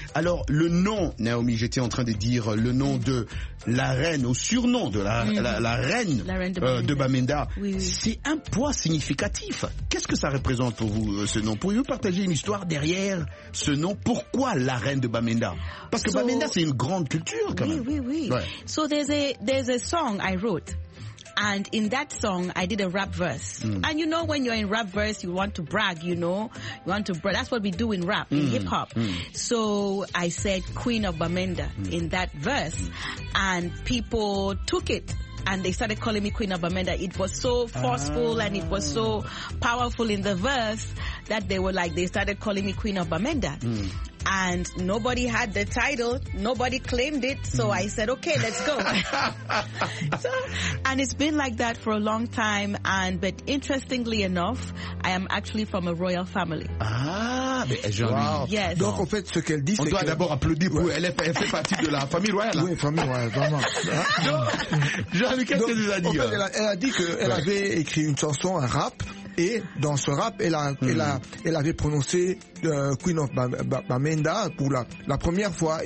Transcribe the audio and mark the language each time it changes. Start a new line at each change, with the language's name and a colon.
French: Alors, le nom, Naomi, j'étais en train de dire le nom de la reine, au surnom de la reine de Bamenda. Oui, oui. C'est un poids significatif. Qu'est-ce que ça représente pour vous, ce nom? Pourriez-vous partager une histoire derrière ce nom? Pourquoi la reine de Bamenda? Parce que Bamenda, c'est une grande culture, quand même. Oui. Ouais.
English: So there's a song I wrote. And in that song, I did a rap verse. Mm. And you know, when you're in rap verse, you want to brag, you know? You want to brag. That's what we do in rap, in hip hop. Mm. So I said Queen of Bamenda in that verse. And people took it and they started calling me Queen Abamenda. It was so forceful and it was so powerful in the verse that they were like, they started calling me Queen Abamenda. And nobody had the title. Nobody claimed it. So I said, okay, let's go. So, and it's been like that for a long time. And but interestingly enough, I am actually from a royal family.
French: Mais donc en fait, ce qu'elle dit, on doit d'abord applaudir pour elle fait partie de la famille royale. Oui, famille royale, vraiment. Jean-Louis, qu'est-ce que tu as dit? En fait, elle a dit qu'elle avait écrit une chanson, un rap. Et dans ce rap, elle avait prononcé Queen of Bamenda pour la première fois.